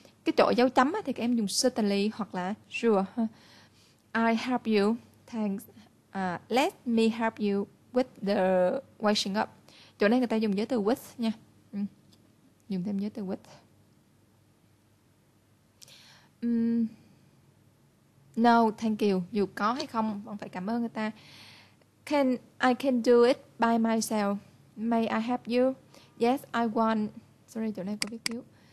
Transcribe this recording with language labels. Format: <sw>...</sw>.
<vi>Cái chỗ dấu chấm thì các em dùng certainly hoặc là sure.</vi> <en>I help you. Thanks. Let me help you with the washing up.</en> <vi>Chỗ này người ta dùng giới từ with nha. Dùng thêm giới từ with.</vi> <en>No, thank you.</en> <vi>Dù có hay không, vẫn phải cảm ơn người ta.</vi> <en>I can do it by myself. May I help you? Yes, I want. Sorry,</en> <vi>chỗ này có viết thiếu.</vi>